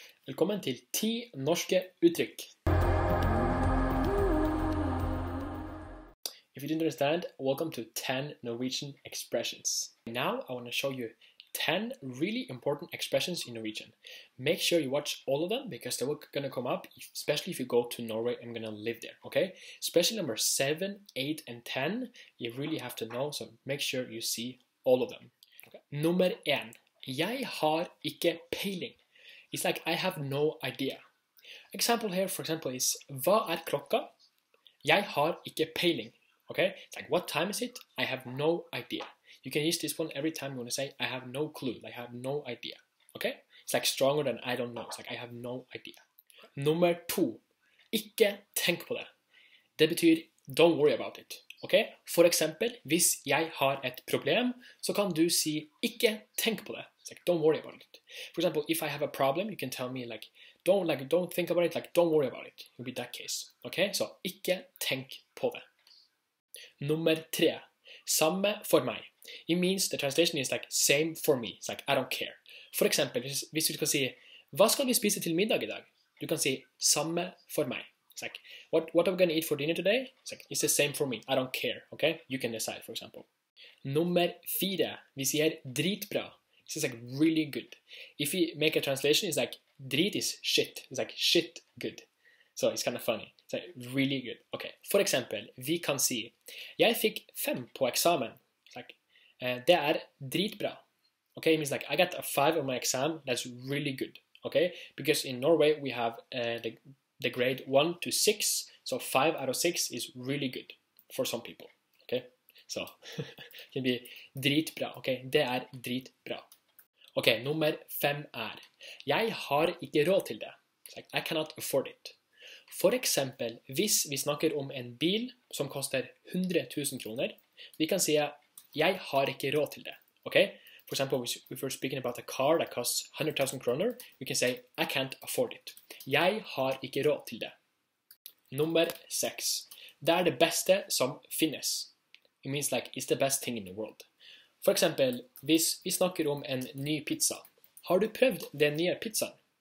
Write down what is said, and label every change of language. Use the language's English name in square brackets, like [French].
[Norwegian] Velkommen til 10 norske uttrykk. [English] If you didn't understand, welcome to 10 Norwegian expressions. Now I want to show you 10 really important expressions in Norwegian. Make sure you watch all of them because they're going to come up, especially if you go to Norway and going to live there, okay? Especially number 7, 8, and 10, you really have to know, so make sure you see all of them. [Norwegian] Okay. Nummer 1. Jeg har ikke peiling. [English] It's like, I have no idea. Example here, for example, is [Norwegian] Hva klokka? Jeg har ikke peiling. [English] Okay? It's like, what time is it? I have no idea. You can use this one every time you want to say, I have no clue. I have no idea. Okay? It's like stronger than I don't know. It's like, I have no idea. [Norwegian] Nummer 2. Ikke tenk på det. Det betyr, [English] don't worry about it. [Norwegian] Okay? For example, hvis jeg har et problem, så kan du si, ikke tenk på det. [English] It's like, don't worry about it. For example, if I have a problem, you can tell me like, don't think about it. Like, don't worry about it. It'll be that case. Okay? So, [Norwegian] ikke tenk på det. Nummer 3. Samme for meg. [English] It means the translation is like, same for me. It's like, I don't care. For example, [Norwegian] hvis du skal si, hva skal vi spise til middag I dag? Du kan si, samme for meg. [English] It's like, what are we going to eat for dinner today? It's like, it's the same for me. I don't care. Okay? You can decide, for example. [Norwegian] Nummer 4. Vi sier dritbra. [English] This is like really good. If you make a translation, it's like, drit is shit. It's like, shit good. So it's kind of funny. It's like, really good. Okay, for example, [Norwegian] vi kan si, jeg fikk 5 på eksamen. [English] It's like, [Norwegian] det dritbra. [English] Okay, it means like, I got a 5 on my exam. That's really good. Okay, because in Norway, we have the grade 1 to 6. So 5 out of 6 is really good for some people. Okay, so it can be dritbra. Okay, [Norwegian] det dritbra. Ok, nummer 5 jeg har ikke råd til det. [English] It's like, I cannot afford it. [Norwegian] For eksempel, hvis vi snakker om en bil som koster 100 000 kroner, vi kan si, jeg har ikke råd til det. Ok? For eksempel, [English] if we're speaking about a car that costs 100 000 kroner, we can say, I can't afford it. [Norwegian] Jeg har ikke råd til det. Nummer 6. Det det beste som finnes. [English] It means like, it's the best thing in the world. [Norwegian] For eksempel, hvis vi snakker om en ny pizza. Har du prøvd den nye pizzaen?